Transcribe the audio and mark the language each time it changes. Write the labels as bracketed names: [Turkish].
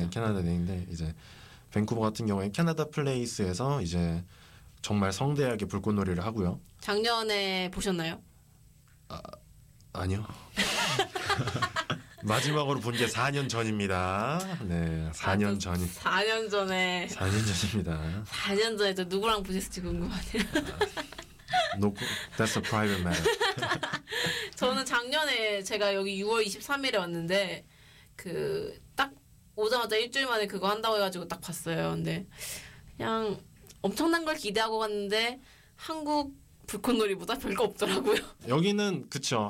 [Korean] 네, 캐나다 데이인데 이제 밴쿠버 같은 경우에 캐나다 플레이스에서 이제 정말 성대하게 불꽃놀이를 하고요. 작년에 보셨나요? 아, 아니요. 마지막으로 본 게 4년 전입니다. 네, 4년 아, 전이. 4년 전에. 4년 전입니다. 4년 전에 저 누구랑 보셨을지 궁금하네요. [English] 놓고, that's a private matter. [Korean] 저는 작년에 제가 여기 6월 23일에 왔는데 그 딱 오자마자 일주일 만에 그거 한다고 해가지고 딱 봤어요. 근데 그냥 엄청난 걸 기대하고 갔는데 한국 불꽃놀이보다 별거 없더라고요. 여기는 그쵸.